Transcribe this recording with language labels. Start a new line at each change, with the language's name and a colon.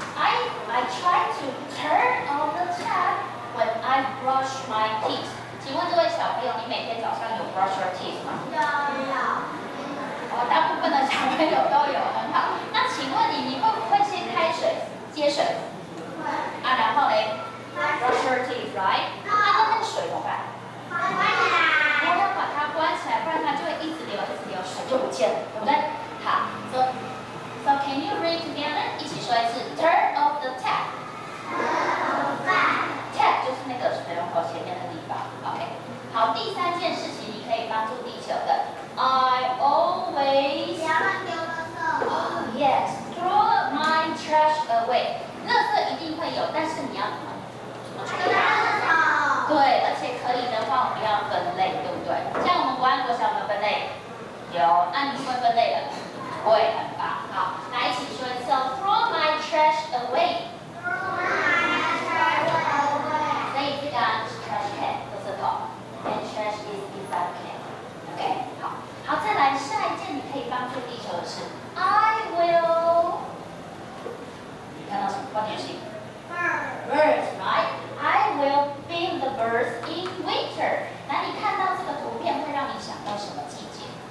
English: I try to turn on the tap when I brush my teeth.
Chinese: 请问这位小朋友，你每天早上有
English: brush your teeth
Chinese: 吗？有。哦，大部分的小朋友都有，很好。那请问你，你会不会先开水接水？会。啊，然后嘞
English: ？Brush your teeth, right?
Chinese: 那那个水怎么办？关起来。你要把它关起来，不然它就会一直流，一直流，水就不见了，对不对？好，说。
English: So can you read together?
Chinese: 一起说一次。
English: Turn off the tap.
Chinese: Tap 就是那个水龙头前面的地方。
English: OK。
Chinese: 好，第三件事情你可以帮助地球的。
English: I always
Chinese: 不要乱丢垃圾。
English: Oh yes. Throw my trash away.
Chinese: 垃圾一定会有，但是你要怎么？丢垃圾桶。对，而且可以的话，我们要分类，对不对？像我们国安国小有没有分类？有。那你会分类的？会。好，来一起说一次。
English: Throw my trash away. Throw my trash away.
Chinese: 所以这个
English: trash can
Chinese: 就是桶
English: ，and trash is in the can.
Chinese: OK， 好，再来下一件你可以帮助地球的事。
English: I will.
Chinese: 你看到什么关键性
English: ？Birds. Birds, right? I will feed the birds in winter.
Chinese: 那你看到这个图片会让你想到什么季节？